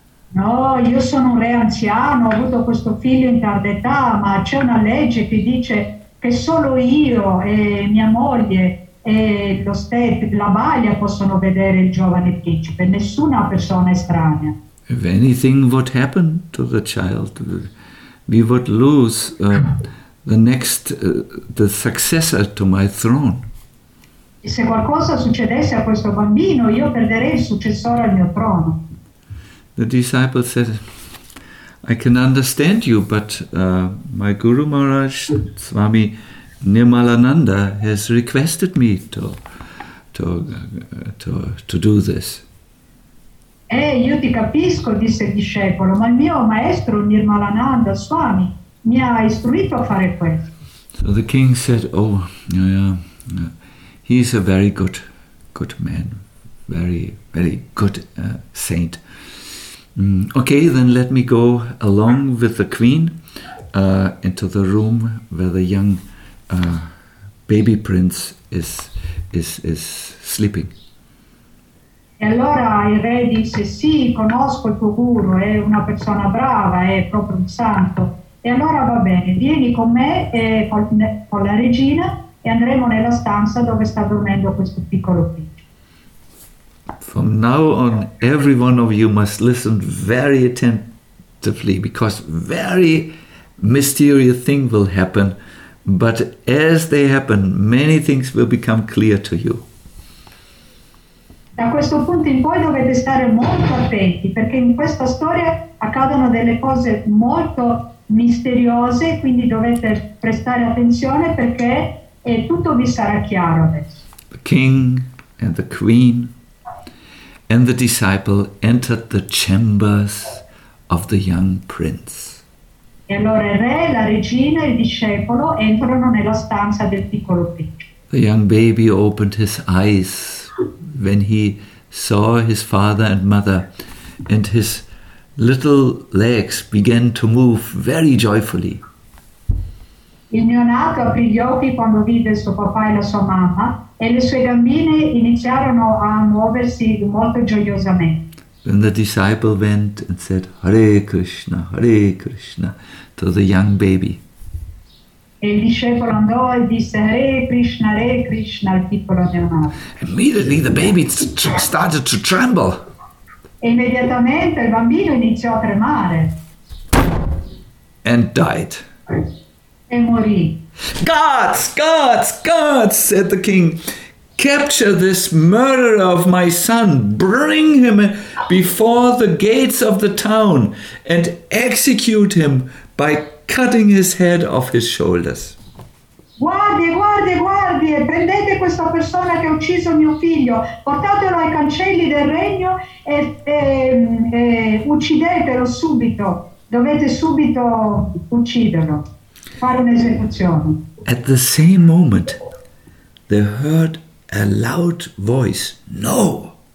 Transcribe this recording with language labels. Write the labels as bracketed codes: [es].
[it] No, io sono un re anziano, ho avuto questo figlio in tarda età, ma c'è una legge che dice che solo io e mia moglie e lo la baglia possono vedere il giovane principe, nessuna persona estranea. [en] If anything would happen to the child, we would lose the successor to my throne. [it] Se qualcosa succedesse a questo bambino, io perderei il successore al mio trono. [en] The disciple said, I can understand you, but my Guru Maharaj, Swami Nirmalananda, has requested me to do this. [it] Io ti capisco, disse il discepolo, ma il mio maestro Nirmalananda Swami mi ha istruito a fare questo. [en] So the king said, oh, yeah, he's a very good man, very, very good saint. Okay, then let me go along with the queen into the room where the young baby prince is sleeping. [it] E allora il re disse: sì, conosco il tuo guru, è una persona brava, è proprio un santo. E allora va bene, vieni con me e con la regina e andremo nella stanza dove sta dormendo questo piccolo figlio. [en] From now on, every one of you must listen very attentively, because very mysterious thing will happen, but as they happen, many things will become clear to you. [it] Da questo punto in poi dovete stare molto attenti, perché in questa storia accadono delle cose molto misteriose, quindi dovete prestare attenzione perché tutto vi sarà chiaro adesso. [en] The king and the queen and the disciple entered the chambers of the young prince. [it] E allora il re, la regina e il discepolo entrano nella stanza del piccolo principe. [en] The young baby opened his eyes when he saw his father and mother, and his little legs began to move very joyfully. [it] Il neonato aprì gli occhi quando vide suo papà e la sua mamma, e le sue gambine iniziarono a muoversi molto gioiosamente. [en] Then the disciple went and said, Hare Krishna, Hare Krishna, to the young baby. [it] Il discepolo andò e disse Re Krishna al piccolo neonato. [en] Immediately the baby started to tremble. [it] E immediatamente il bambino iniziò a tremare. [en] And died. [it] E morì. [en] Gods, gods, gods, said the king, capture this murderer of my son, bring him before the gates of the town and execute him by cutting his head off his shoulders. [it] Guardie, guardie, guardie, prendete questa persona che ha ucciso mio figlio, portatelo ai cancelli del regno e uccidetelo subito. Dovete subito ucciderlo, fare un'esecuzione. [en] At the same moment, they heard a loud voice, no.